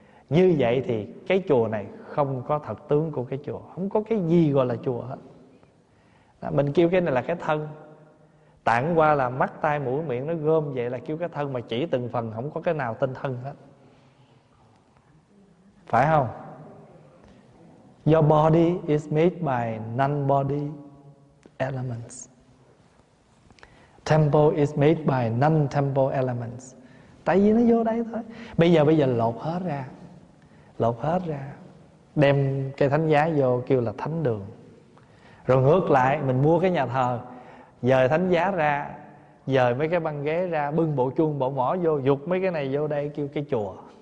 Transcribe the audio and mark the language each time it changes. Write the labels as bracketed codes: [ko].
[vi] Như vậy thì cái chùa này không có thật tướng của cái chùa, không có cái gì gọi là chùa hết. Mình kêu cái này là cái thân, tản qua là mắt, tai, mũi, miệng, nó gom vậy là kêu cái thân, mà chỉ từng phần, không có cái nào tên thân hết. Phải không? [en] Your body is made by non-body elements. Temple is made by non-temple elements. [vi] Tại vì nó vô đây thôi. Bây giờ lột hết ra. Lột hết ra. Đem cây thánh giá vô kêu là thánh đường. Rồi ngược lại, mình mua cái nhà thờ, dời thánh giá ra, dời mấy cái băng ghế ra, bưng bộ chuông, bộ mỏ vô, dục mấy cái này vô đây kêu cái chùa.